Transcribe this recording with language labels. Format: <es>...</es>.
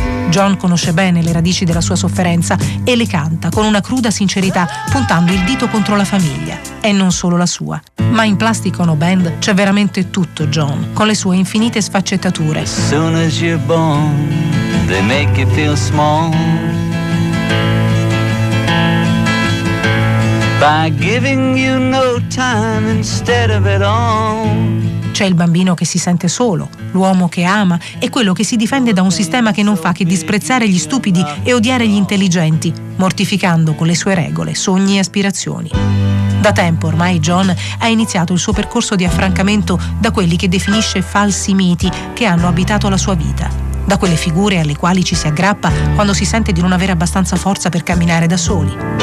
<it>John conosce bene le radici della sua sofferenza e le canta con una cruda sincerità, puntando il dito contro la famiglia. E non solo la sua. Ma in Plastic Ono Band c'è veramente tutto John, con le sue infinite sfaccettature.</it> <en>As soon as you're born, they make you feel small. By giving you no time instead of it all.</en> <it>C'è il bambino che si sente solo, l'uomo che ama e quello che si difende da un sistema che non fa che disprezzare gli stupidi e odiare gli intelligenti, mortificando con le sue regole, sogni e aspirazioni. Da tempo ormai John ha iniziato il suo percorso di affrancamento da quelli che definisce falsi miti che hanno abitato la sua vita, da quelle figure alle quali ci si aggrappa quando si sente di non avere abbastanza forza per camminare da soli.</it>